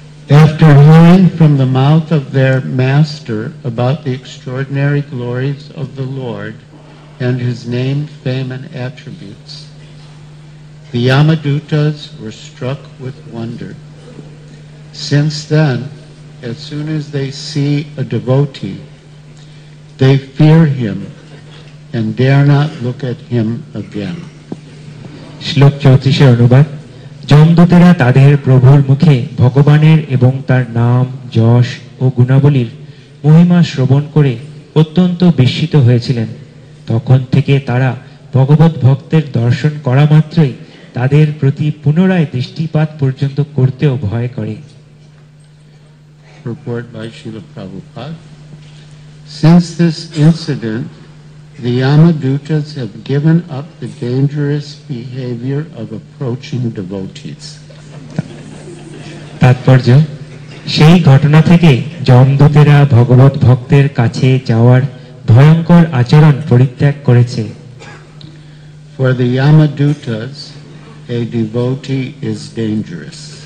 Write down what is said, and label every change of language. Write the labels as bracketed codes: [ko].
[en] After hearing from the mouth of their master about the extraordinary glories of the Lord and his name, fame, and attributes, the Yamadutas were struck with wonder. Since then, as soon as they see a devotee, they fear him and dare not look at him again. [bn] Shlok 34 Anubad. যমদূতেরা তাদের প্রভুর মুখে ভগবানের এবং তার নাম যশ ও গুণাবলীর মহিমা শ্রবণ করে অত্যন্ত বিস্মিত হয়েছিলেন। তখন থেকে তারা ভগবত ভক্তের দর্শন করা মাত্রই তাদের প্রতি পুনরায় দৃষ্টিপাত পর্যন্ত করতেও ভয় করে। [en] Reported by Srila Prabhupada. Since this incident, the Yamadutas have given up the dangerous behavior of approaching devotees. [bn] তাৎপর্য, সেই ঘটনা থেকে যমদূতেরা ভগবত ভক্তের কাছে যাওয়ার ভয়ঙ্কর আচরণ পরিত্যাগ করেছে। [en] For the Yamadutas, a devotee is dangerous.